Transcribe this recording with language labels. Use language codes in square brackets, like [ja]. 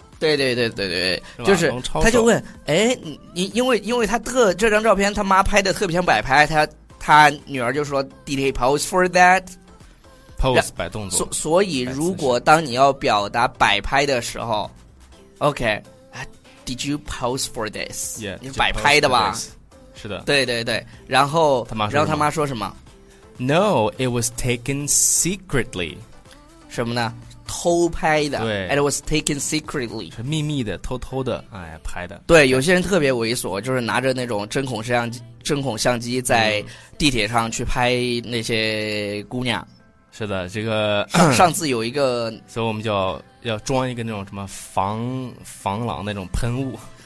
[zh] 对对对对对，就是他就问，哎，因为他特这张照片他妈拍的特别像摆拍，他女儿就说 Did he pose for that pose 摆动作，所以如果当你要表达摆拍的时候 OK Did you pose for this [en] yeah, [zh] 你摆拍的吧，是的，对对对，然后他妈说什么？ [en] No it was taken secretly， [zh] 什么呢？偷拍的，对 [en] ，it was taken secretly， [zh] 是秘密的，偷偷的，哎，拍的。对，有些人特别猥琐，就是拿着那种针孔相机在地铁上去拍那些姑娘。是的，这个上次有一个，所以我们就要装一个那种什么防狼那种喷雾。